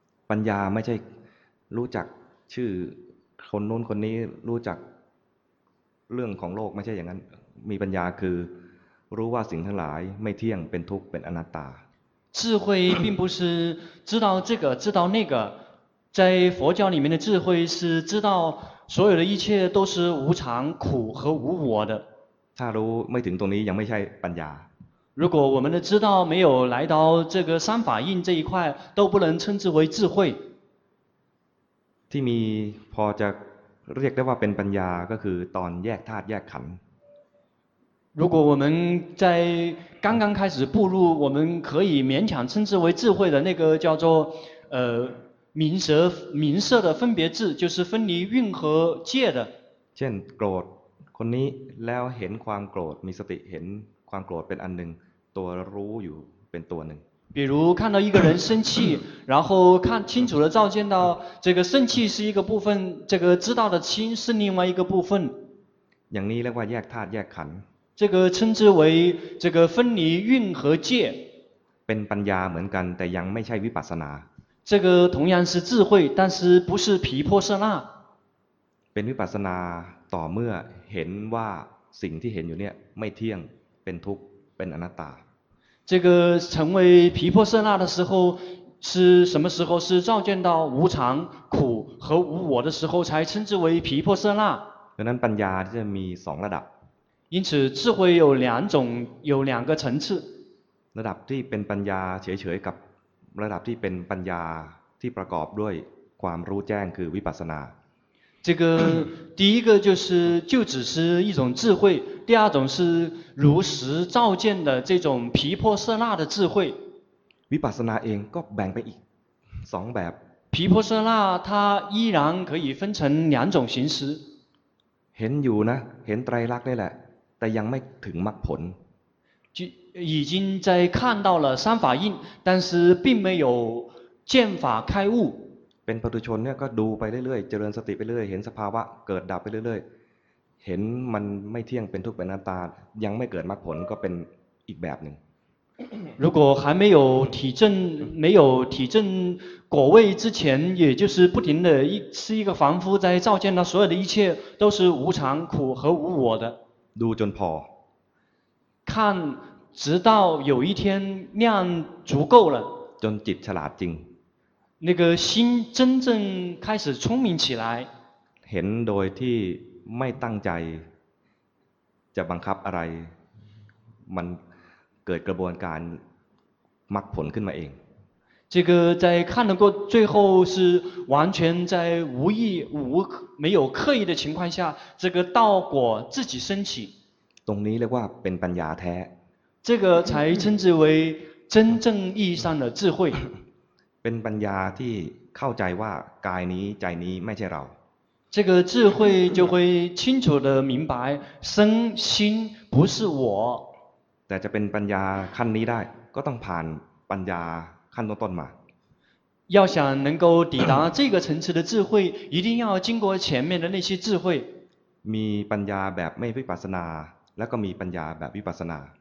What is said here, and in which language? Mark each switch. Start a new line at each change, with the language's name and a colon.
Thai: ปัญญาไม่ใช่รู้จักชื่อคนนู้นคนนี้รู้จักเรื่องของโลกไม่ใช่อย่างนั้นมีปัญญาคือรู้ว่าสิ่งทั้งหลายไม่เที่ยงเป็นทุกข์เป็นอนัตตา。
Chinese: 智慧并不是知道这个知道那个。在佛教里面的智慧是知道所有的一切都是无常苦和无我的
Thai: ถ้ารู้ไม่ถึงตรงนี้ยังไม่ใช่ปัญญา
Chinese: 如果我们的知道没有来到这个三法印这一块都不能称之为智慧
Thai: ที่มีพอจะเรียกได้ว่าเป็นปัญญาก็คือตอนแยกธาตุแยกขันธ์
Chinese: 如果我们在刚刚开始步入我们可以勉强称之为智慧的那个叫做名色的分别智就是分离蕴和界的
Thai: เช่นโกรธคนนี้แล้วเห็นความโกรธมีสติเห็นความโกรธเป็นอันหนึ่งตัวรู้อยู่เป็นตัวหนึ่ง
Chinese: 比如看到一个人生气然后看清楚的照见到这个生气是一个部分这个知道的心是另外一个部分
Thai: อย่างนี้เรียกว่าแยกธาตุแยกขัน
Chinese: ธ์这个称之为这个分离蕴和界
Thai: เป็นปัญญาเหมือนกันแต่ยังไม่ใช่วิปัสสนา
Chinese: 这个同样是智慧但是不是毗婆舍那
Thai: เป็นวิปัสสนาต่อเมื่อเห็นว่าสิ่งที่เห็นอยู่เนี่ยไม่เที่ยงเป็นทุกข์เป็นอนัตตา
Chinese: 这个成为毗婆舍那的时候是什么时候是照见到无常苦和无我的时候才称之为毗婆舍那
Thai: ดังนั้นปัญญาจะมี2ระดับ
Chinese: 因此智慧有两种有两个层次
Thai: ระดับที่เป็นปัญญาเฉยๆกับระดับที่เป็นปัญญาที่ประกอบด้วยความรู้แจ้งคือวิปัสสนา
Chinese: 这个第一个就只是一种智慧第二种是如实照见的这种毗婆舍那的智慧
Thai: วิปัสสนาเองก็แบ่งไปอีก2แบบ
Chinese: 毗婆舍那它依然可以分成两种形式
Thai: เห็นอยู่นะเห็นไตรลักษณ์ได้แหละแต่ยังไม่ถึงมรรคผล
Chinese: 已经在看到了三法印但是并没有见法开悟
Thai: เป็นปุถุชนเนี่ยก็ดูไปเรื่อยๆเจริญสติไปเรื่อยเห็นสภาวะเกิดดับไปเรื่อยๆเ ห็นมันไม่เที่ยงเป็นทุกข์เป็นอนัตตายังไม่เกิดมรรคผลก็เป็นอีกแบบนึง
Chinese: 如果还没有体证没有体证果位之前也就是不停的一是一个凡夫在照见到所有的一切都是无常苦和无我的
Thai: ดูจนพ
Chinese: อ看直到有一天量足够了
Thai: จนจิตฉลาดจริง
Chinese: 那个心真正开始聪明起来
Thai: เห็นโดยที่ไม่ตั้งใจจะบังคับอะไรมันเกิดกระบวนการมรรคผลขึ้นมาเอง
Chinese: 这个在看能够最后是完全在无意无没有刻意的情况下这个道果自己升起
Thai: ตรงนี้เรียกว่าเป็นปัญญาแท้
Chinese: 这个才称之为真正意义上的智慧
Thai: เป็นปัญญาที่เข้าใจว่ากายนี้ใจนี้ไม่ใช่เรา
Chinese: 这个智慧就会清楚的明白身心不是我
Thai: แต่จะเป็นปัญญาขั้นนี้ได้ก็ต้องผ่านปัญญาขั้นต้นๆมา
Chinese: 要想能够抵达这个层次的智慧一定要经过前面的那些智慧
Thai: มีปัญญาแบบไม่วิปัสสนาแล้วก็มีปัญญาแบบวิปัสสนา